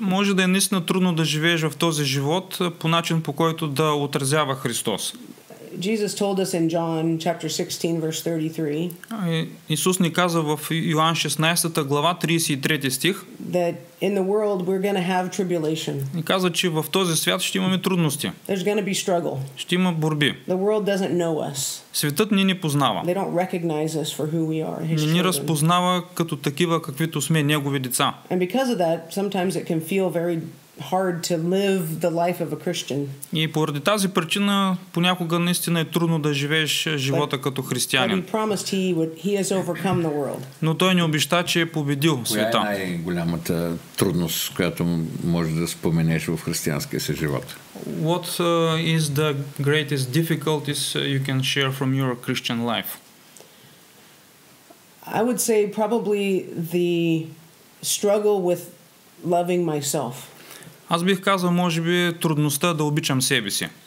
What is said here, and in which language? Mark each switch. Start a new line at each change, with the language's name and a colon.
Bulgarian: Може да е наистина трудно да живееш в този живот по начин, по който да отразява Христос.
English: Jesus told us in John chapter 16 verse 33.
Bulgarian: Исус ни каза в Йоан 16-та глава 33-ти стих.
English: That in the world we're going to have tribulation.
Bulgarian: Ни каза, че в този свят ще имаме трудности.
English: There's going to be struggle.
Bulgarian: Ще има борби.
English: The world doesn't know us.
Bulgarian: Светът ни не познава.
English: They don't recognize us for who we are.
Bulgarian: Не ни разпознава като такива, каквито сме негови деца.
English: And because of that, sometimes it can feel very hard to live the life of a Christian.
Bulgarian: И поради тази причина понякога наистина е трудно да живееш живота като християнин.
English: But he promised he has overcome the world.
Bulgarian: Но той ни обеща, че е победил света. Коя е най-голямата трудност, която можеш да споменеш в християнския си живот?
English: What is the greatest difficulties you can share from your Christian life? I would say probably the struggle with loving myself.
Bulgarian: Аз бих казал, може би, трудността да обичам себе си.